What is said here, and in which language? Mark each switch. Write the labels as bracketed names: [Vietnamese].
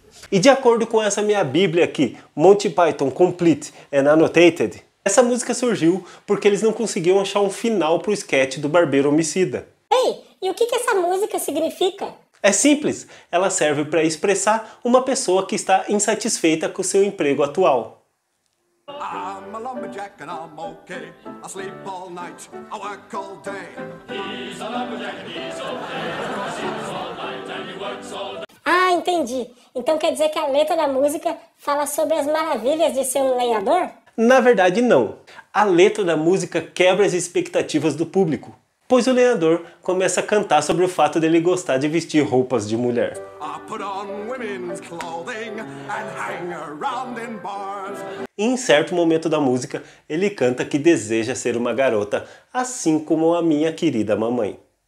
[Portuguese] E de acordo com essa minha bíblia aqui, Monty Python Complete and Annotated, essa música surgiu porque eles não conseguiam achar um final pro sketch do Barbeiro Homicida. Ei, e o que que essa música significa? É simples, ela serve para expressar uma pessoa que está insatisfeita com seu emprego atual. [English] I'm a lumberjack and I'm okay. I sleep all night, I work all day. He's a lumberjack and he's okay. He sleeps all night and he works all day. [Portuguese] Ah, entendi. Então quer dizer que a letra da música fala sobre as maravilhas de ser um lenhador? Na verdade, não. A letra da música quebra as expectativas do público, pois o lenhador começa a cantar sobre o fato dele gostar de vestir roupas de mulher. [English] I put on women's clothing and hang around in bars. [Portuguese] Em certo momento da música, ele canta que deseja ser uma garota, assim como a minha querida mamãe.